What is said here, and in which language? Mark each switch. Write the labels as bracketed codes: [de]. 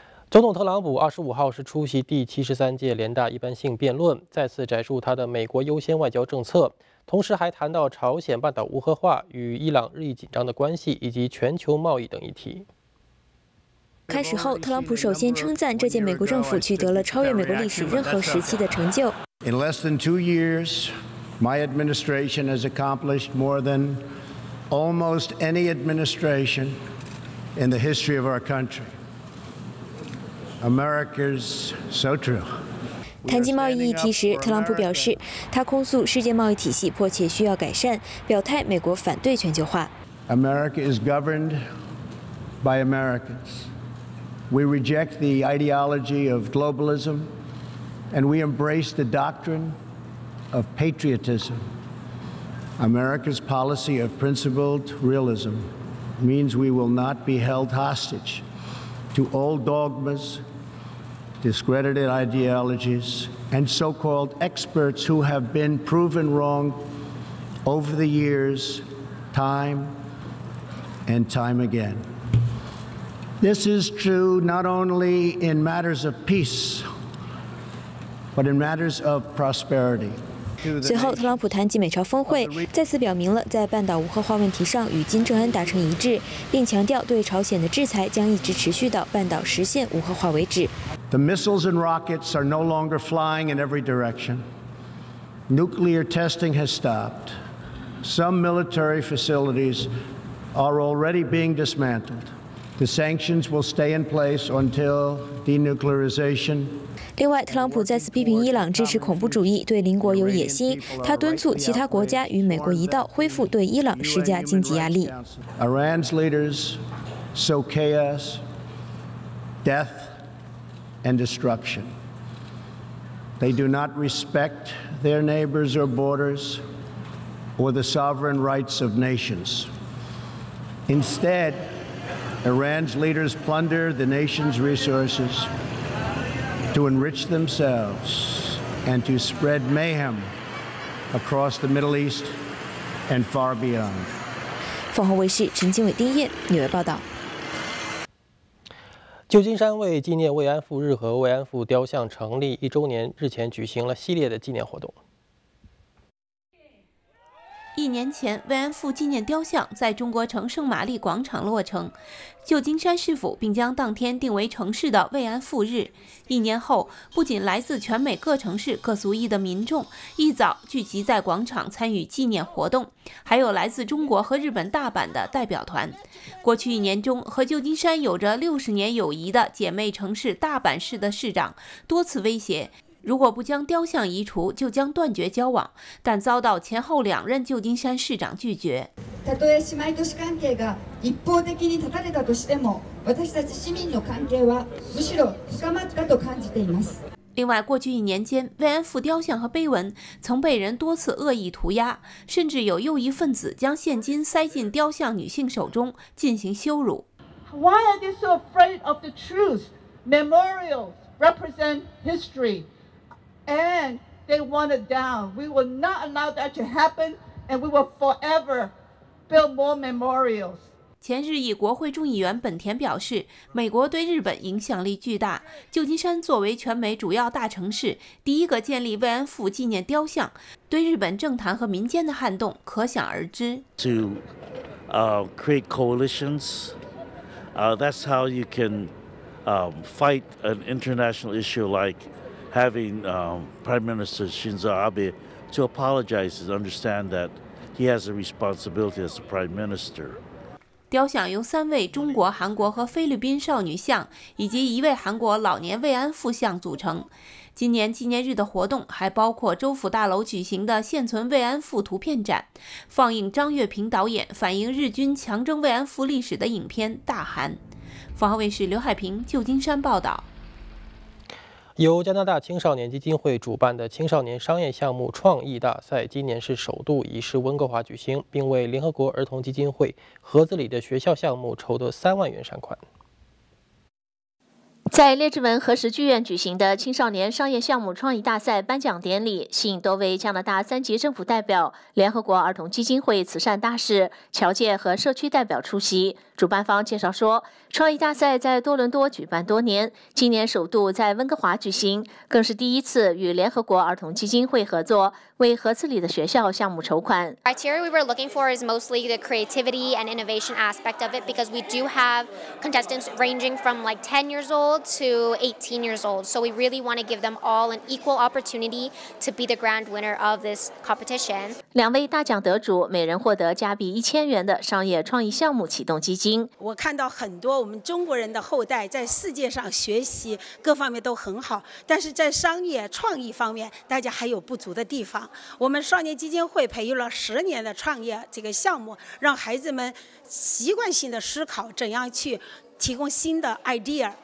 [zh] 总统特朗普25号是出席第73届联大一般性辩论，再次摘述他的美国优先外交政策，同时还谈到朝鲜半岛无核化与伊朗日益紧张的关系以及全球贸易等议题。开始后，特朗普首先称赞这届美国政府取得了超越美国历史任何时期的成就。 [en] In less than 2 years, my administration has accomplished more than almost any administration in the history of our country. America's so true. [zh] 谈及贸易议题时，特朗普表示，他控诉世界贸易体系迫切需要改善，表态美国反对全球化。 [en] America is governed by Americans. We reject the ideology of globalism, and we embrace the doctrine of patriotism. America's policy of principled realism means we will not be held hostage. To all dogmas, discredited ideologies, and so-called experts who have been proven wrong over the years, time and time again. This is true not only in matters of peace, but in matters of prosperity. [zh] 随后，特朗普谈及美朝峰会，再次表明了在半岛无核化问题上与金正恩达成一致，并强调对朝鲜的制裁将一直持续到半岛实现无核化为止。 [en] The missiles and rockets are no longer flying in every direction. Nuclear testing has stopped. Some military facilities are already being dismantled. The sanctions will stay in place until denuclearization. [zh] 另外，特朗普再次批评伊朗支持恐怖主义，对邻国有野心。他敦促其他国家与美国一道恢复对伊朗施加经济压力。 [en] Iran's leaders sow chaos, death, and destruction. They do not respect their neighbors or borders, or the sovereign rights of nations. Instead, Iran's leaders plunder the nation's resources. To enrich themselves and to spread mayhem across the Middle East and far beyond. [zh] 凤凰卫视陈经纬、丁燕，纽约报道。旧金山为纪念慰安妇日和慰安妇雕像成立一周年，日前举行了系列的纪念活动。一年前，慰安妇纪念雕像在中国城圣玛丽广场落成，旧金山市府并将当天定为城市的慰安妇日。一年后，不仅来自全美各城市各族裔的民众一早聚集在广场参与纪念活动，还有来自中国和日本大阪的代表团。过去一年中，和旧金山有着60年友谊的姐妹城市大阪市的市长多次威胁，如果不将雕像移除，就将断绝交往，但遭到前后两任旧金山市长拒绝。 [ja] たとえ姉妹都市関係が一方的に断たれたとしても、私たち市民の関係はむしろ深まったと感じています。 [zh] 另外，过去一年间，慰安妇雕像和碑文曾被人多次恶意涂鸦，甚至有右翼分子将现金塞进雕像女性手中进行羞辱。 [en] Why are they so afraid of the truth? Memorials represent history. And they want it down. We will not allow that to happen, and we will forever build more memorials. [zh] 前日裔国会众议员本田表示，美国对日本影响力巨大，旧金山作为全美主要大城市，第一个建立慰安妇纪念雕像，对日本政坛和民间的撼动可想而知。 [en] To create coalitions, that's how you can fight an international issue like having Prime Minister Shinzo Abe to apologize and understand that he has a responsibility as the Prime Minister. [zh] 雕像由三位中国、韩国和菲律宾少女像以及一位韩国老年慰安妇像组成。今年纪念日的活动还包括州府大楼举行的现存慰安妇图片展，放映张月平导演反映日军强征慰安妇历史的影片《大韩》。凤凰卫视刘海平，旧金山报道。由加拿大青少年基金会主办的青少年商业项目创意大赛今年是首度移师温哥华举行，并为联合国儿童基金会盒子里的学校项目筹得30,000元善款。在列治文核实剧院举行的青少年商业项目创意大赛颁奖典礼，吸引多位加拿大三级政府代表、联合国儿童基金会慈善大使、侨界和社区代表出席。主办方介绍说，创意大赛在多伦多举办多年，今年首度在温哥华举行，更是第一次与联合国儿童基金会合作，为盒子里的学校项目筹款。 [en] Criteria we were looking for is mostly the creativity and innovation aspect of it, because we do have contestants ranging from like 10 years old to 18 years old. So we really want to give them all an equal opportunity to be the grand winner of this competition. [zh] 两位大奖得主每人获得加币1,000元的商业创意项目启动基金。我看到很多我们中国人的后代在世界上学习各方面都很好，但是在商业创意方面，大家还有不足的地方。我们少年基金会培育了10年的创业这个项目，让孩子们习惯性的思考怎样去提供新的 idea。